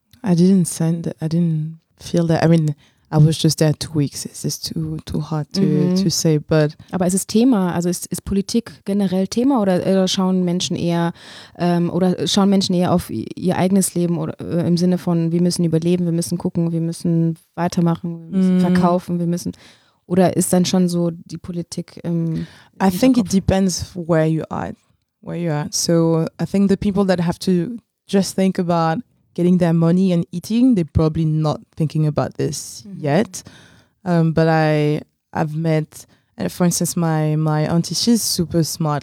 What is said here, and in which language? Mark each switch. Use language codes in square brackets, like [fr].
[en] I didn't feel that. I mean, I was just there 2 weeks. It's just too hard to say. But [de] aber ist es Thema? Also ist Politik generell Thema oder schauen Menschen eher auf ihr eigenes Leben oder im Sinne von wir müssen überleben, wir müssen gucken, wir müssen weitermachen, wir müssen verkaufen, wir müssen oder ist dann schon so die Politik? [en] I think it depends where you are. So I think the people that have to just think about getting their money and eating, they're probably not thinking about this yet. But I've met, for instance, my auntie, she's super smart.